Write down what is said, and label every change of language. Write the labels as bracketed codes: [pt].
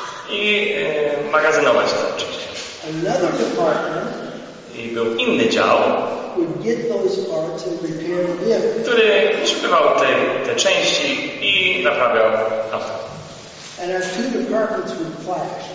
[pl] I magazynować te części. [en] Another department. [pl] I był inny dział, [en] would get those parts and repair the vehicle. [pl] Który przybywał te części i naprawiał auto. [en] And our two departments would clash.